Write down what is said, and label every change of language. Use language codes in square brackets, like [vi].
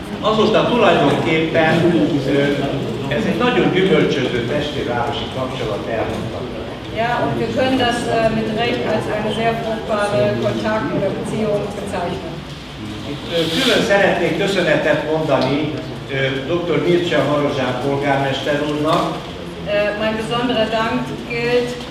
[hu] Azóta tulajdonképpen ez egy nagyon gyümölcsöző testvérvárosi kapcsolat elmondta. [de] Ja, und wir können das mit Recht als eine sehr fruchtbare Kontakt oder Beziehung bezeichnen. [hu] Külön szeretnék köszönetet mondani Dr. Mircea Marozsán polgármester úrnak. [de] Mein besonderer Dank gilt